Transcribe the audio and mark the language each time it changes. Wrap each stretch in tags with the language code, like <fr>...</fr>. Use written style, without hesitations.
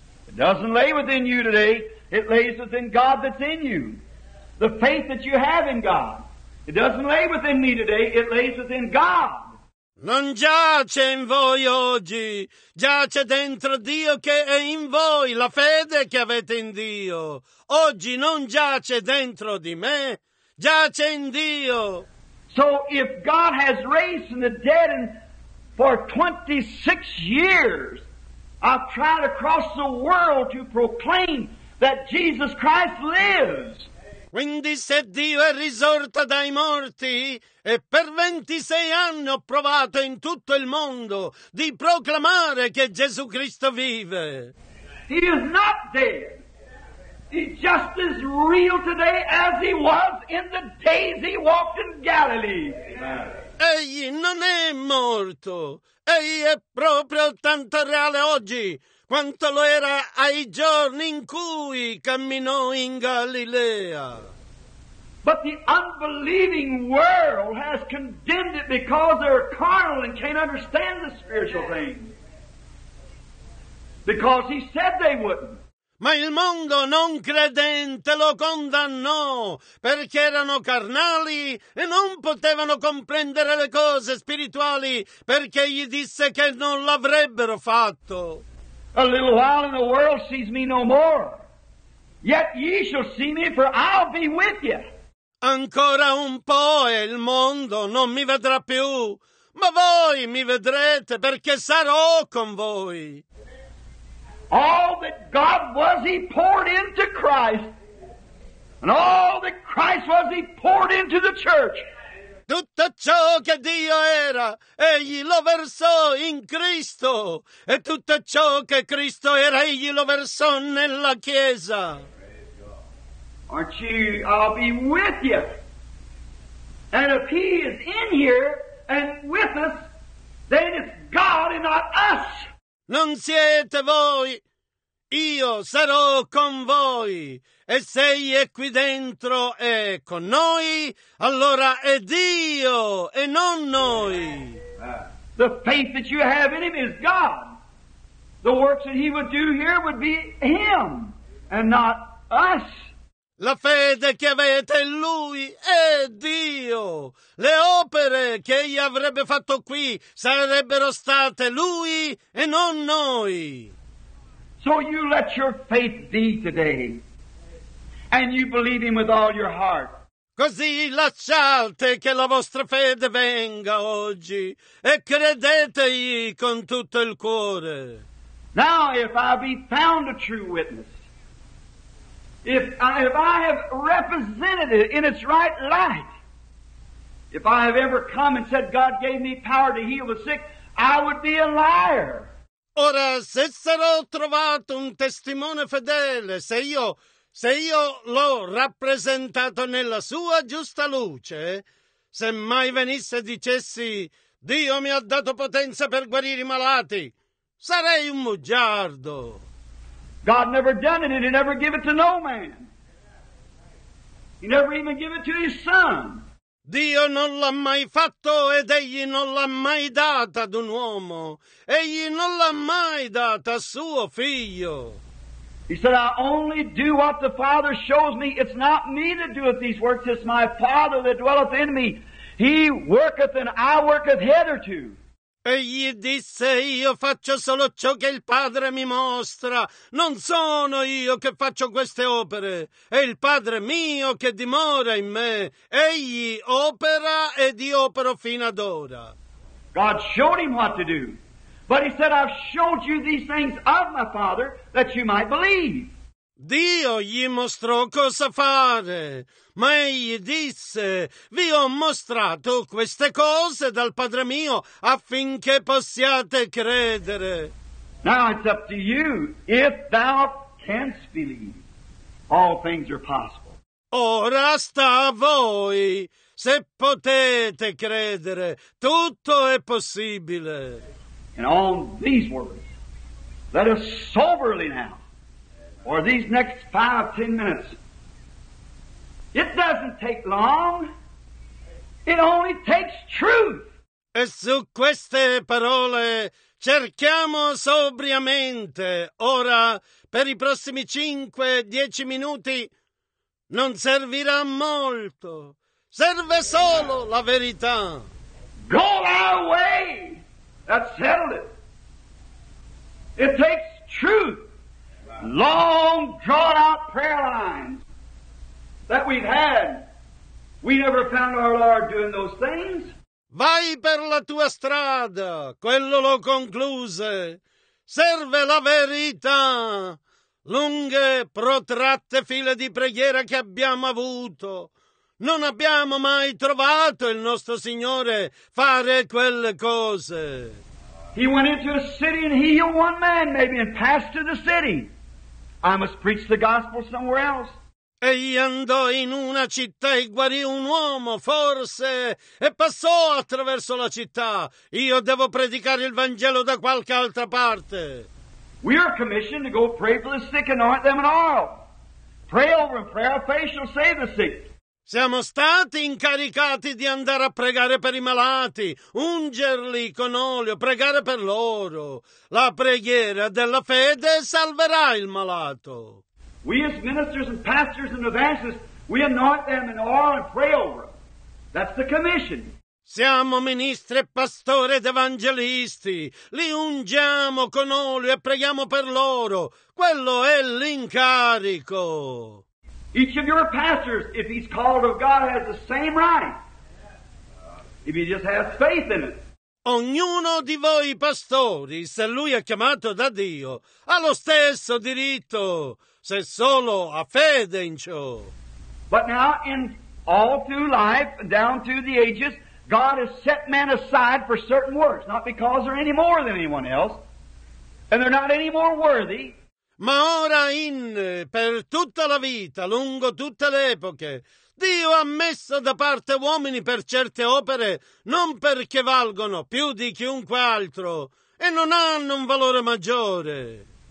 <en>It doesn't lay within you today, it lays within God that's in you. The faith that you have in God. It doesn't lay within me today, it lays within God.</en> <it>Non giace in voi oggi, giace dentro Dio che è in voi, la fede che avete in Dio. Oggi non giace dentro di me. Giace in Dio.</it> <en>So if God has raised from the dead and for 26 years I've tried across the world to proclaim that Jesus Christ lives.</en> <it>Quindi se Dio è risorto dai morti e per 26 anni ho provato in tutto il mondo di proclamare che Gesù Cristo vive.</it> <en>He is not dead. He's just as real today as he was in the days he walked in Galilee.</en> <it>Egli non è morto. Egli è proprio tanto reale oggi quanto lo era ai giorni in cui camminò in Galilea.</it> <en>But the unbelieving world has condemned it because they're carnal and can't understand the spiritual thing. Because he said they wouldn't.</en> <it>Ma il mondo non credente lo condannò perché erano carnali e non potevano comprendere le cose spirituali perché gli disse che non l'avrebbero fatto.</it> <en>A little while and the world sees me no more. Yet ye shall see me, for I'll be with you.</en> <it>Ancora un po' e il mondo non mi vedrà più, ma voi mi vedrete perché sarò con voi.</it> <en>All that God was, he poured into Christ. And all that Christ was, he poured into the church.</en> <it>Tutto ciò che Dio era, egli lo versò in Cristo. E tutto ciò che Cristo era, egli lo versò nella Chiesa.</it> <en>Aren't you, I'll be with you. And if he is in here and with us, then it's God and not us.</en> <it>Non siete voi, io sarò con voi. E se egli è qui dentro e con noi, allora è Dio e non noi.</it> <en>The faith that you have in him is God. The works that he would do here would be him and not us.</en> <it>La fede che avete in lui è Dio. Le opere che egli avrebbe fatto qui sarebbero state lui e non noi.</it> <en>So you let your faith be today and you believe him with all your heart.</en> <it>Così lasciate che la vostra fede venga oggi e credetegli con tutto il cuore.</it> <en>Now if I be found a true witness, If I have represented it in its right light, if I have ever come and said God gave me power to heal the sick, I would be a liar.</en> <it>Ora, se sarò trovato un testimone fedele, se io Se io l'ho rappresentato nella sua giusta luce, se mai venisse e dicessi Dio mi ha dato potenza per guarire i malati, sarei un bugiardo.</it> <en>God never done it, and he never gave it to no man. He never even gave it to his son.</en> <it>Dio non l'ha mai fatto ed egli non l'ha mai data ad un uomo. Egli non l'ha mai data a suo figlio.</it> <en>He said, I only do what the Father shows me. It's not me that doeth these works, it's my Father that dwelleth in me. He worketh and I worketh hitherto.</en> <it>Egli disse, io faccio solo ciò che il Padre mi mostra. Non sono io che faccio queste opere. È il Padre mio che dimora in me. Egli opera ed io opero fino ad ora.</it> <en>God showed him what to do. But he said, I've showed you these things of my Father that you might believe.</en> <it>Dio gli mostrò cosa fare, ma egli disse, vi ho mostrato queste cose dal Padre mio affinché possiate credere.</it> <en>Now it's up to you, if thou canst believe, all things are possible.</en> <it>Ora sta a voi, se potete credere, tutto è possibile.</it> <en>And on these words, let us soberly now. Or these next 5-10 minutes. It doesn't take long. It only takes truth.</en> <it>E su queste parole cerchiamo sobriamente. Ora, per i prossimi 5-10 minuti, non servirà molto. Serve solo la verità.</it> <en>Go our way. That's settled it. It takes truth. Long drawn out prayer lines that we've had. We never found our Lord doing those things.</en> <it>Vai per la tua strada. Quello lo concluse. Serve la verità. Lunghe, protratte file di preghiera che abbiamo avuto. Non abbiamo mai trovato il nostro Signore fare quelle cose.</it> <en>He went into a city and healed one man, maybe, and passed to the city. I must preach the gospel somewhere else.</en> <it>Egli andò in una città e guarì un uomo, forse, e passò attraverso la città. Io devo predicare il Vangelo da qualche altra parte.</it> <en>We are commissioned to go pray for the sick and anoint them in oil. Pray over and pray our faith shall save the sick.</en> <it>Siamo stati incaricati di andare a pregare per i malati, ungerli con olio, pregare per loro. La preghiera della fede salverà il malato.</it> <en>We as ministers and pastors and evangelists, we anoint them in oil and pray over them. That's the commission.</en> <it>Siamo ministri, pastori ed evangelisti. Li ungiamo con olio e preghiamo per loro. Quello è l'incarico.</it> <en>Each of your pastors, if he's called of God, has the same right. If he just has faith in it.</en> <it>Ognuno di voi pastori, se lui è chiamato da Dio, ha lo stesso diritto, se solo ha fede in ciò.</it> <en>But now, in all through life, down through the ages, God has set men aside for certain works, not because they're any more than anyone else, and they're not any more worthy.</en> <it>Ma ora in, per tutta la vita, lungo tutte le epoche, Dio ha messo da parte uomini per certe opere, non perché valgono più di chiunque altro, e non hanno un valore maggiore.</it>